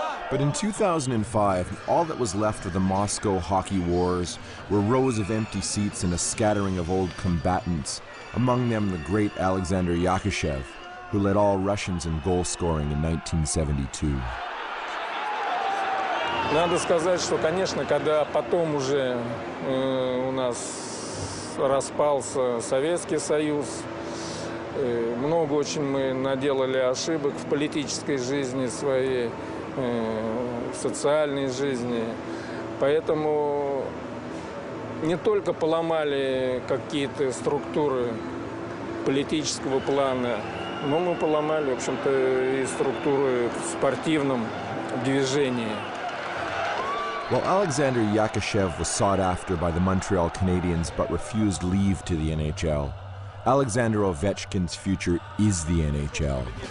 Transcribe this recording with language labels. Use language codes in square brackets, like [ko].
[en] But in 2005, all that was left of the Moscow hockey wars were rows of empty seats and a scattering of old combatants, among them the great Alexander Yakushev, who led all Russians in goal scoring in 1972. [ru] Надо сказать, что, конечно, когда потом уже у нас распался Советский Союз, много очень мы наделали ошибок в политической жизни своей. В социальной жизни. Поэтому не только поломали какие-то структуры политического плана, но мы поломали, в общем-то, и структуры в спортивном движении. [en] While Alexander Yakushev was sought after by the Montreal Canadiens but refused leave to the NHL, Alexander Ovechkin's future is the NHL.